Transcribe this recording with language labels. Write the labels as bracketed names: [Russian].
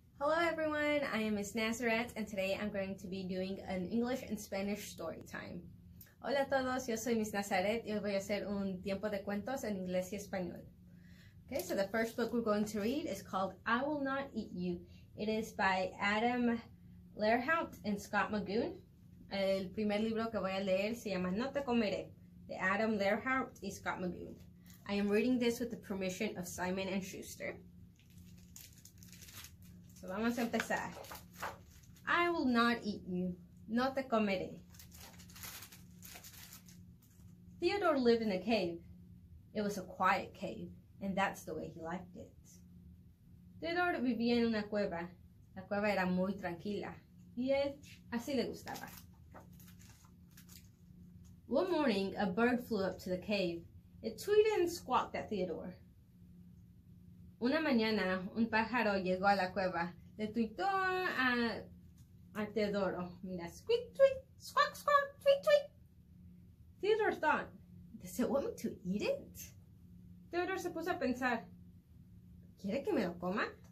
[English] Hello everyone, I am Miss Nazareth and today I'm going to be doing an English and Spanish story time. [Spanish] Hola a todos, yo soy Miss Nazareth y hoy voy a hacer un tiempo de cuentos en inglés y español. [English] Okay, so the first book we're going to read is called I Will Not Eat You. It is by Adam Lehrhaut and Scott Magoon. [Spanish] El primer libro que voy a leer se llama No Te Comeré, de Adam Lehrhaut y Scott Magoon. [English] I am reading this with the permission of Simon & Schuster. [Spanish] So vamos a empezar. [English] I will not eat you. [Spanish] No te comeré. [English] Theodore lived in a cave. It was a quiet cave, and that's the way he liked it. [Spanish] Theodore vivía en una cueva. La cueva era muy tranquila, y él así le gustaba. [English] One morning, a bird flew up to the cave. It tweeted and squawked at Theodore. [Spanish] Una mañana, un pájaro llegó a la cueva. Le tuitó a Teodoro. Mira, squeak, tweet, squawk, squawk, tweet, tweet. [English] Theodore thought, does it want me to eat it? [Spanish] Theodore se puso a pensar, ¿quiere que me lo coma?